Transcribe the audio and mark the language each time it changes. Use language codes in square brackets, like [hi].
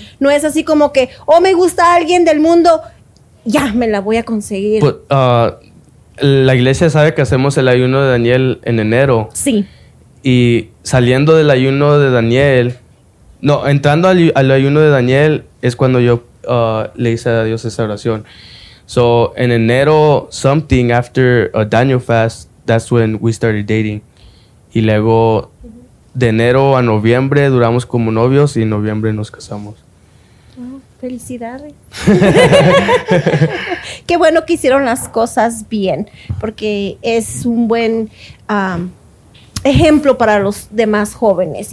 [es] No es así como que, oh, me gusta alguien del mundo, ya me la voy a conseguir. La iglesia sabe que hacemos el ayuno de Daniel en enero. Sí. Y saliendo del ayuno de Daniel, no, entrando al ayuno de Daniel, es cuando yo le hice a Dios esa oración. [en] So, [es] en enero, [en] something after a Daniel fast, that's when we started dating. [es] Y luego, de enero a noviembre, duramos como novios y en noviembre nos casamos. Felicidades. Qué bueno que hicieron las cosas bien, porque es un buen ejemplo para los demás jóvenes.